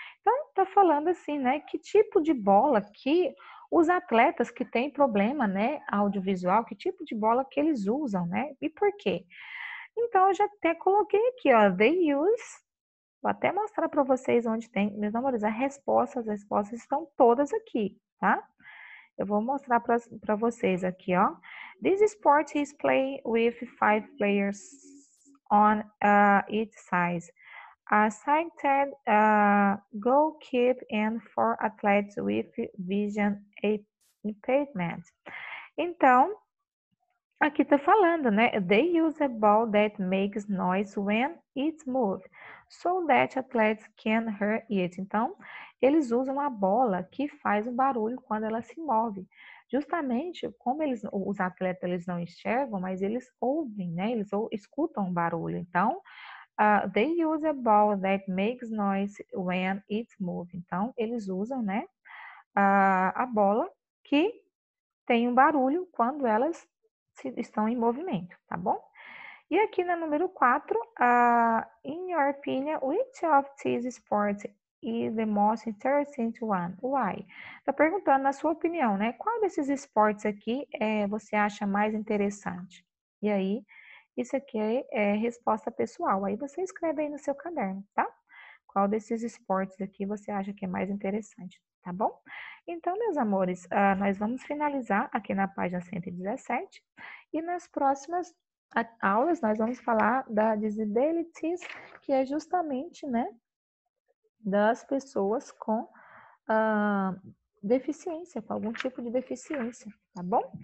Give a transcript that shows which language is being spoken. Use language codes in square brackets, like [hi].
[pt] Então, tá falando assim, né? Que tipo de bola que os atletas que têm problema, né, audiovisual, que tipo de bola que eles usam, né? E por quê? Então, eu já até coloquei aqui, ó: [en] They use. [pt] Vou até mostrar para vocês onde tem. Meus amores, as respostas estão todas aqui, tá? Eu vou mostrar para vocês aqui, ó. [en] This sport is played with five players on each side. A sighted goalkeeper and four athletes with vision impairment. [pt] Então, aqui tá falando, né? [en] They use a ball that makes noise when it moves, so that athletes can hear it. [pt] Então, eles usam a bola que faz um barulho quando ela se move. Justamente como os atletas eles não enxergam, mas eles ouvem, né? Eles escutam o barulho. [en] Então, they use a ball that makes noise when it moves. [pt] Então, eles usam, né, a bola que tem um barulho quando elas estão em movimento, tá bom? E aqui na número 4, [en] in your opinion, which of these sports is the most interesting one? Why? [pt] Tá perguntando na sua opinião, né? Qual desses esportes aqui você acha mais interessante? E aí, isso aqui é resposta pessoal. Aí você escreve aí no seu caderno, tá? Qual desses esportes aqui você acha que é mais interessante, tá bom? Então, meus amores, nós vamos finalizar aqui na página 117 e nas próximas aulas nós vamos falar da disabilities, que é justamente, né, das pessoas com deficiência, com algum tipo de deficiência, tá bom?